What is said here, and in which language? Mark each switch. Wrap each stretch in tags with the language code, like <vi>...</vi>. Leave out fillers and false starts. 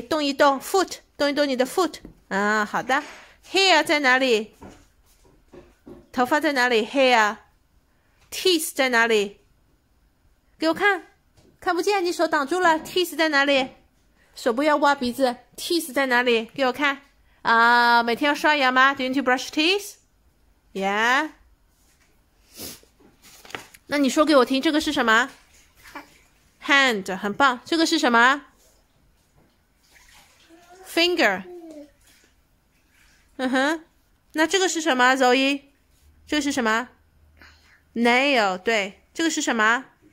<zh>动一动 foot， 动一动你的 foot。啊，好的 ，hair 在哪里？头发在哪里 ？hair，teeth 在哪里？给我看，看不见，你手挡住了。 teeth 在哪里？手不要挖鼻子。teeth 在哪里？给我看。啊、每天要刷牙吗</zh> <en>？Do you need to brush teeth? Yeah.</en> <zh>那你说给我听，这个是什么 ？Hand， 很棒。这个是什么 ？Finger。嗯哼，那这个是什么 ，Zoe？这个是什么 ？Nail。对，这个是什么？</zh>